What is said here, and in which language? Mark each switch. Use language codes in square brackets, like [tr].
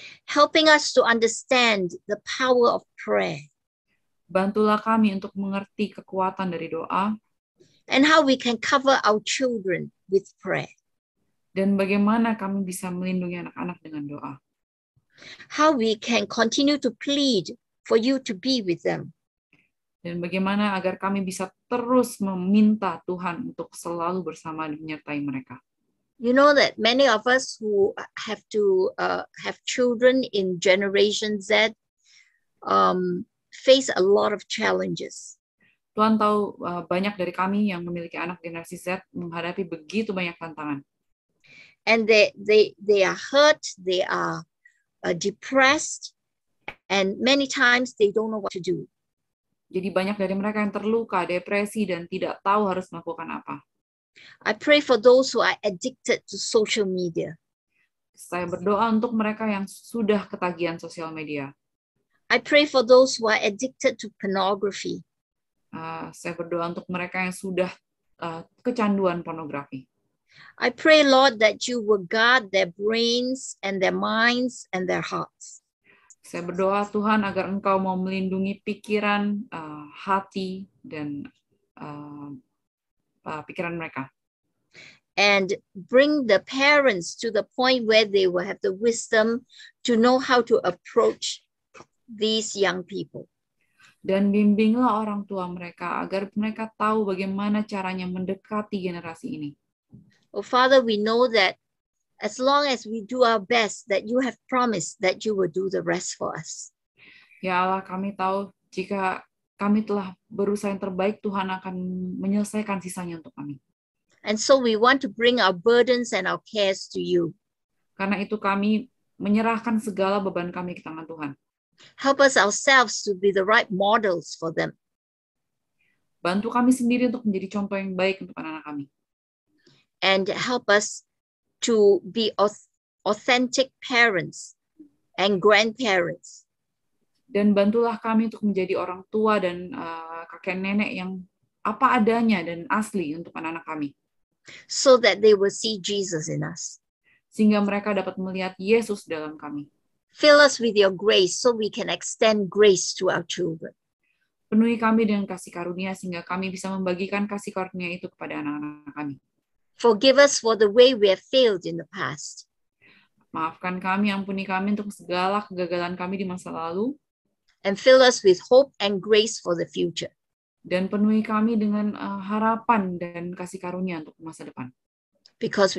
[en] Helping us to understand the power of prayer. [id] Bantulah kami untuk mengerti kekuatan dari doa. [en] And how we can cover our children with prayer. [id] Dan bagaimana kami bisa melindungi anak-anak dengan doa. [en] How we can continue to plead for you to be with them. [id] Dan bagaimana agar kami bisa terus meminta Tuhan untuk selalu bersama dan menyertai mereka. [en] You know that many of us who have to have children in Generation Z face a lot of challenges. [id] Tuhan tahu banyak dari kami yang memiliki anak generasi Z menghadapi begitu banyak tantangan. [en] And they are hurt, they are depressed. And many times they don't know what to do. [id] Jadi banyak dari mereka yang terluka, depresi, dan tidak tahu harus melakukan apa. [en] I pray for those who are addicted to social media. [id] Saya berdoa untuk mereka yang sudah ketagihan sosial media. [en] I pray for those who are addicted to pornography. [id] Saya berdoa untuk mereka yang sudah kecanduan pornografi. [en] I pray, Lord, that you will guard their brains and their minds and their hearts. [id] Saya berdoa Tuhan agar Engkau mau melindungi pikiran, hati, dan pikiran mereka. [en] And bring the parents to the point where they will have the wisdom to know how to approach these young people. [id] Dan bimbinglah orang tua mereka agar mereka tahu bagaimana caranya mendekati generasi ini. [en] Oh Father, we know that as long as we do our best, that you have promised that you will do the rest for us. [id] Ya Allah, kami tahu jika kami telah berusaha yang terbaik, Tuhan akan menyelesaikan sisanya untuk kami. [en] And so we want to bring our burdens and our cares to you. [id] Karena itu kami menyerahkan segala beban kami ke tangan Tuhan. [en] Help us ourselves to be the right models for them. [id] Bantu kami sendiri untuk menjadi contoh yang baik untuk anak-anak kami. [en] And help us to be authentic parents and grandparents. [id] Dan bantulah kami untuk menjadi orang tua dan kakek nenek yang apa adanya dan asli untuk anak-anak kami. [en] So that they will see Jesus in us. [id] Sehingga mereka dapat melihat Yesus dalam kami. [en] Fill us with your grace so we can extend grace to our children. [id] Penuhi kami dengan kasih karunia sehingga kami bisa membagikan kasih karunia itu kepada anak-anak kami. [en] Forgive us for the way we have failed in the past. [id] Maafkan kami, ampuni kami untuk segala kegagalan kami di masa lalu. [en] And fill us with hope and grace for the future. [id] Dan penuhi kami dengan harapan dan kasih karunia untuk masa depan. Karena kami berdoa selalu dalam nama Tuhan Yesus.